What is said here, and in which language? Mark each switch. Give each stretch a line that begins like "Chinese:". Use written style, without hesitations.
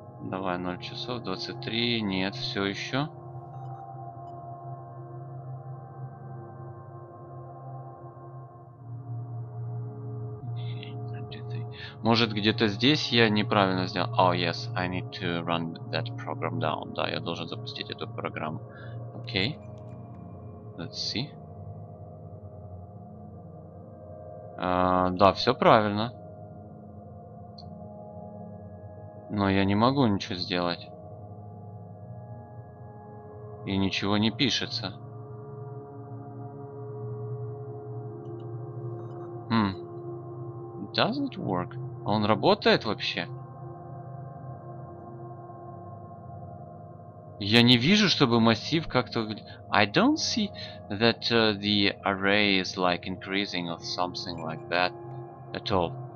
Russian: Давай 0 часов. 23. Нет, все еще. Может, где-то здесь я неправильно сделал.
English: Oh, yes, I need to run that program down.
Russian: Да, я должен запустить эту программу.
English: Окей. Okay. Let's see.
Russian: Да, все правильно. Но я не могу ничего сделать. И ничего не пишется.
English: Doesn't work.
Russian: Он работает вообще? Я не вижу, чтобы массив как-то...
English: I don't see that the array is like increasing or something like that at all.